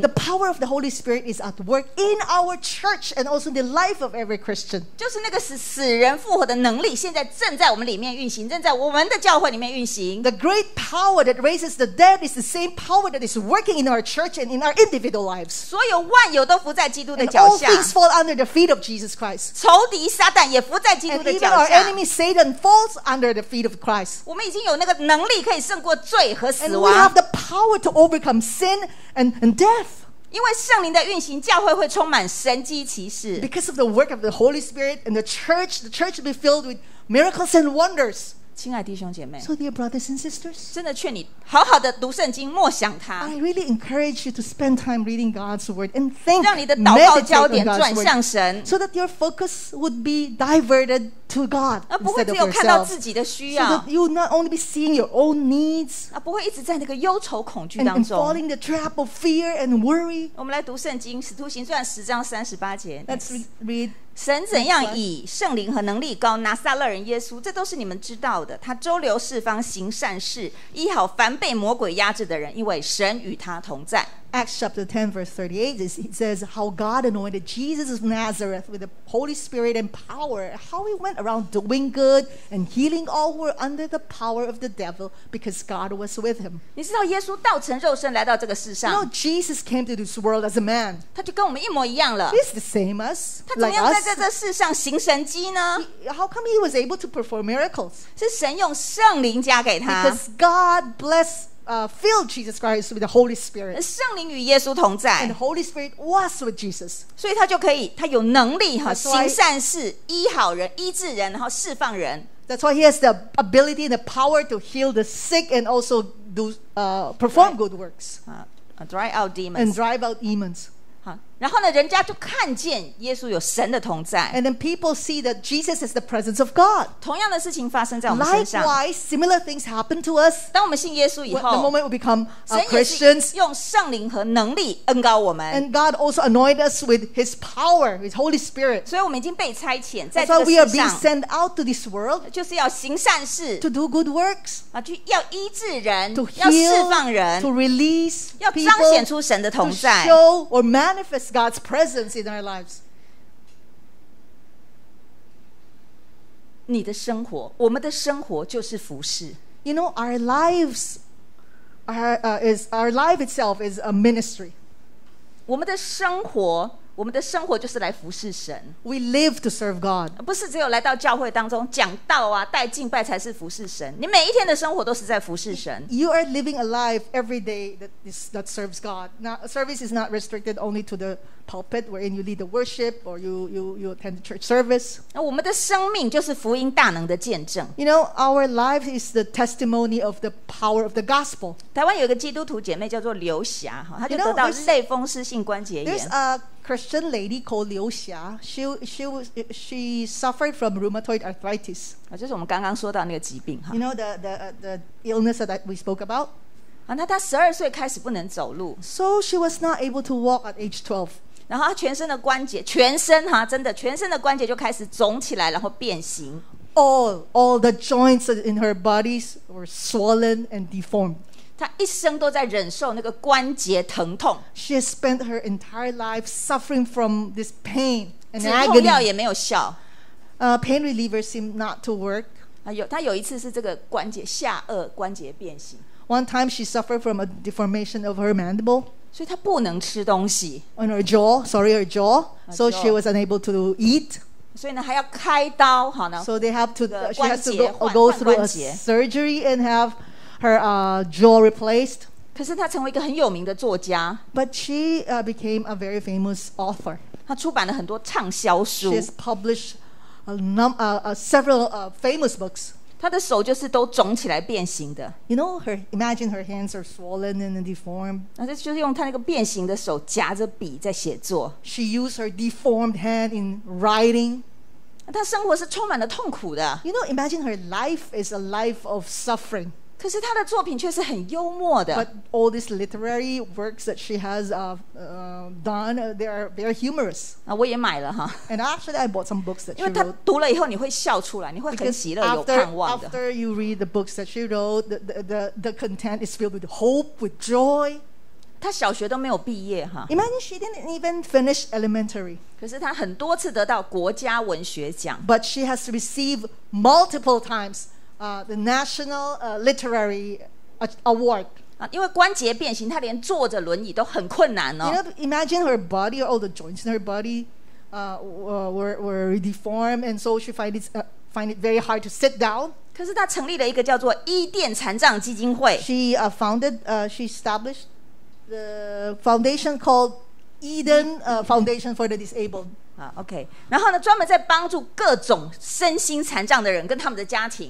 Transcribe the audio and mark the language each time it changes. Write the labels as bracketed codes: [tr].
[en] The power of the Holy Spirit is at work in our church and also in the life of every Christian. [zh] 就是那个死人复活的能力现在正在我们里面运行，正在我们的教会里面运行。 [en] The great power that raises the dead is the same power that is working in our church and in our individual lives. [zh] 所有万有都伏在基督的脚下。 [en] And all things fall under the feet of Jesus Christ. [zh] 仇敌撒旦也伏在基督的脚下。 [en] And even our enemy Satan falls under the feet of Christ. [zh] 我们已经有那个能力可以胜过罪和死亡。 [en] And we have the power to overcome sin and death. [zh] 因为圣灵的运行，教会会充满神迹奇事。 [en] Because of the work of the Holy Spirit and the church will be filled with miracles and wonders. [zh] 亲爱弟兄姐妹, [en] so dear brothers and sisters, [zh] 真的劝你好好的读圣经默想它。 [en] I really encourage you to spend time reading God's word and think, [zh] 让你的祷告焦点转向神, [en] so that your focus would be diverted to God instead of yourself. [zh] 而不会只有看到自己的需要, [en] so that you would not only be seeing your own needs, [zh] 而不会一直在那个忧愁恐惧当中, [en] and falling the trap of fear and worry. [zh] 我们来读圣经, 使徒行传10章38节。 [en] Let's read [zh] 神怎样以圣灵和能力膏拿撒勒人耶稣，这都是你们知道的。他周流四方行善事，医好凡被魔鬼压制的人，因为神与他同在。 [en] Acts chapter 10 verse 38, it says how God anointed Jesus of Nazareth with the Holy Spirit and power, how He went around doing good and healing all who were under the power of the devil because God was with Him. [zh] 你知道耶稣道成肉身来到这个世上, [en] you know, Jesus came to this world as a man. [zh] 他就跟我们一模一样了, [en] He's the same as [zh] 他怎么样在这世上行神迹呢? [en] Like us. How come He was able to perform miracles? [zh] 是神用圣灵加给他, [en] because God blessed filled Jesus Christ with the Holy Spirit. [zh] 圣灵与耶稣同在, [en] and the Holy Spirit was with Jesus. [zh] 所以他就可以, 他有能力, 行善事, 医好人, 医治人, 然后释放人。 [en] That's why He has the ability and the power to heal the sick and also do perform good works. Dry out demons. And drive out demons. [zh] 然后呢，人家就看见耶稣有神的同在。 [en] And then people see that Jesus is the presence of God. [zh] 同样的事情发生在我们身上。 [en] Likewise, similar things happen to us. [zh] 当我们信耶稣以后 [en] ，the moment we become Christians, [zh] 神也是用圣灵和能力恩膏我们。 [en] And God also anoint us with His power, His Holy Spirit. [zh] 所以我们已经被差遣，在这个世上。 [en] That's why we are being sent out to this world. [zh] 就是要行善事 [en] ，to do good works. [zh] 啊，去要医治人 [en] ，to heal, [zh] 要释放人 [en] ，to release people, [zh] 要彰显出神的同在 [en] ，to show or manifest. God's presence in our lives. [zh] 你的生活，我们的生活就是服事。 [en] You know, our lives are, is our life itself is a ministry. [zh] 我们的生活，我们的生活就是来服事神。 [en] We live to serve God. [zh] 不是只有来到教会当中讲道啊，带敬拜才是服事神。你每一天的生活都是在服事神。 [en] You are living a life every day that serves God. Now, service is not restricted only to the pulpit wherein you lead the worship or you attend the church service. [zh] 那我们的生命就是福音大能的见证。 [en] You know, our life is the testimony of the power of the gospel. [zh] 台湾有一个基督徒姐妹叫做刘霞，她就得到类风湿性关节炎。 [en] Christian lady called Liu Xia. She suffered from rheumatoid arthritis. [zh] 就是我们刚刚说到那个疾病。 [en] You know the illness that we spoke about? [zh] 她12岁开始不能走路。 [en] So she was not able to walk at age 12. [zh] 然后她全身的关节，全身哈，真的，全身的关节就开始肿起来，然后变形。 [en] All the joints in her body were swollen and deformed. [zh] 她一生都在忍受那个关节疼痛。 [en] She has spent her entire life suffering from this pain and agony. [zh] 止痛药也没有效。 [en] Pain reliever seemed not to work. [zh] 她有一次是这个关节下颚关节变形。 [en] One time she suffered from a deformation of her mandible. [zh] 所以她不能吃东西。 [en] On her jaw. So she was unable to eat. [zh] 所以呢，还要开刀，好呢。 [en] So they have to. She has to go through a surgery and have. Her jaw replaced. [zh] 可是她成为一个很有名的作家。 [en] But she became a very famous author. [zh] 她出版了很多畅销书。 [en] She has published several famous books. [zh] 她的手就是都肿起来变形的。 [en] You know, imagine her hands are swollen and deformed. [zh] 那这就是用她那个变形的手夹着笔在写作。 [en] She used her deformed hand in writing. [zh] 她生活是充满了痛苦的。 [en] You know, imagine her life is a life of suffering. [zh] 可是他的作品却是很幽默的。 [en] But all these literary works that she has done, they are very humorous. [zh] 啊，我也买了哈。 [en] And actually, I bought some books that she wrote. [zh] 因为他读了以后，你会笑出来，你会很喜乐、有盼望的。 [en] After you read the books that she wrote, the content is filled with hope, with joy. [zh] 他小学都没有毕业哈。 [en] Imagine she didn't even finish elementary. [zh] 可是他很多次得到国家文学奖。 [en] But she has received multiple times. The National Literary Award. [zh] 因为关节变形，她连坐着轮椅都很困难哦。 [en] You know, imagine her body, all the joints in her body, were deformed, and so she find it very hard to sit down. [zh] 可是她成立了一个叫做伊甸残障基金会。 [en] She established the foundation called Eden Foundation for the Disabled. Okay. [zh] 然后呢，专门在帮助各种身心残障的人跟他们的家庭。